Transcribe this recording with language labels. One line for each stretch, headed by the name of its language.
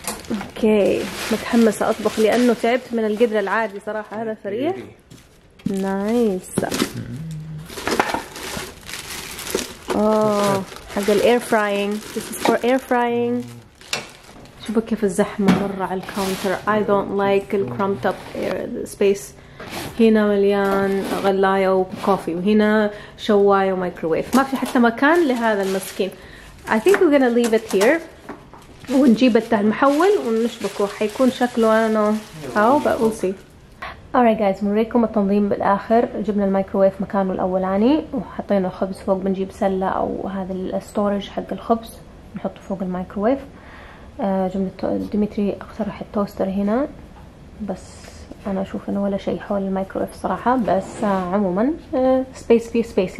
Arabic: اوكي متحمسة اطبخ لانه تعبت من القدر العادي صراحة، هذا سريع. نايس. اوه حق الاير فراينج،
English: this is for air frying.
Arabic: شوفوا كيف الزحمة مرة على الكاونتر.
English: I don't like the cramped up air space.
Arabic: هنا مليان غلاية وكوفي، وهنا شواية ومايكروويف، ما في حتى مكان لهذا المسكين.
English: I think we're gonna leave it here
Arabic: ونجيب التهل المحول ونشبكه، حيكون شكله أنا نو هاو
English: but we'll see. alright guys
Arabic: موريكم التنظيم بالآخر. جبنا المايكروويف مكانه الأولاني، وحطينا الخبز فوق، بنجيب سلة أو هذا الستورج حق الخبز نحطه فوق المايكروويف. جبنا ديمتري اقترح التوستر هنا، بس انا اشوف انه ولا شيء حول المايكرويف صراحة، بس عموما سبيس في سبيس.